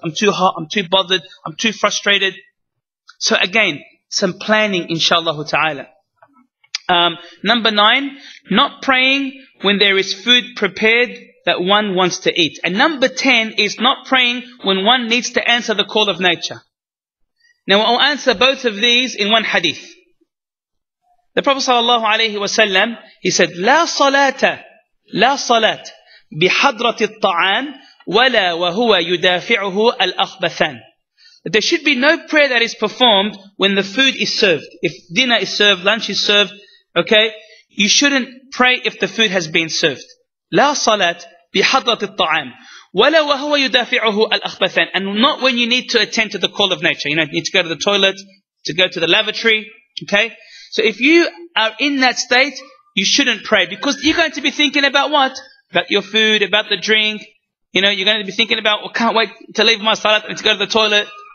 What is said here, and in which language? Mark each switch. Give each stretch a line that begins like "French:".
English: I'm too hot, I'm too bothered, I'm too frustrated. So again, some planning, inshallah ta'ala. Number 9, not praying when there is food prepared that one wants to eat. And number 10 is not praying when one needs to answer the call of nature. Now I'll answer both of these in one hadith. The Prophet sallallahu alayhi wa sallam, he said,
Arabic: لا صلاة بحضرة الطعام ولا وهو يدافعه الأخبثان.
English: There should be no prayer that is performed when the food is served. If dinner is served, lunch is served, okay? You shouldn't pray if the food has been served.
Arabic: لا صلاة بحضرة الطعام ولا وهو يدافعه الأخبثان.
English: And not when you need to attend to the call of nature. You know, you need to go to the toilet, to go to the lavatory, okay? So if you are in that state, you shouldn't pray, because you're going to be thinking about what? About your food, about the drink. You know, you're going to be thinking about, well, can't wait to leave my salat and to go to the toilet.